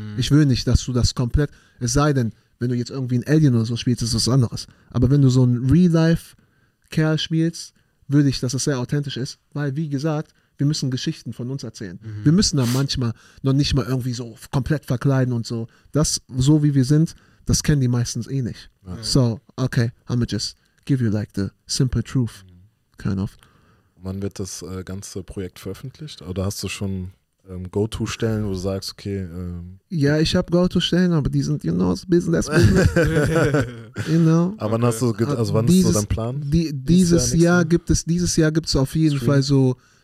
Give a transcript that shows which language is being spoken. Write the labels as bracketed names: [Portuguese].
[German] Ich will nicht, dass du das komplett, es sei denn, wenn du jetzt irgendwie ein Alien oder so spielst, ist das was anderes. Aber wenn du so einen Real-Life-Kerl spielst, würde ich, dass das sehr authentisch ist, weil, wie gesagt, wir müssen Geschichten von uns erzählen. Wir müssen da manchmal noch nicht mal irgendwie so komplett verkleiden und so. Das, so wie wir sind, das kennen die meistens eh nicht. [English] So, okay, I'm just give you like the simple truth, kind of. [German] Wann wird das ganze Projekt veröffentlicht? Oder hast du schon Go-To-Stellen, wo du sagst, okay. Ja, ich habe Go-To-Stellen, aber die sind, [English] you know, business. You know. [German] Aber okay. Hast du, also wann dieses, ist so dein Plan? Dieses Jahr gibt es auf jeden Fall so